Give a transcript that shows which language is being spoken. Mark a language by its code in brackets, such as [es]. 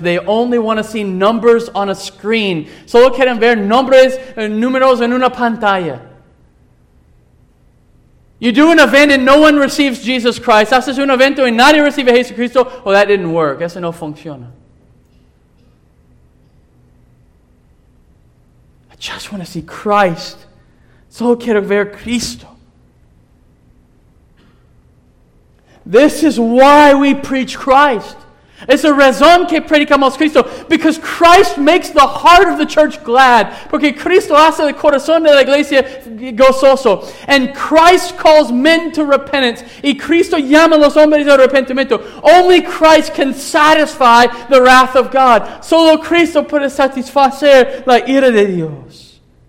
[en] They only want to see numbers on a screen. [es] Solo quieren ver nombres, números en una pantalla. [en] You do an event and no one receives Jesus Christ. [es] Haces un evento y nadie recibe a Jesucristo. [en] Well, that didn't work. [es] Eso no funciona. [en] Just want to see Christ. [es] Solo quiero ver Cristo. [en] This is why we preach Christ. [es] Es la razón que predicamos Cristo. [en] Because Christ makes the heart of the church glad. [es] Porque Cristo hace el corazón de la iglesia gozoso. [en] And Christ calls men to repentance. [es] Y Cristo llama a los hombres al arrepentimiento. [en] Only Christ can satisfy the wrath of God. [es] Solo Cristo puede satisfacer la ira de Dios.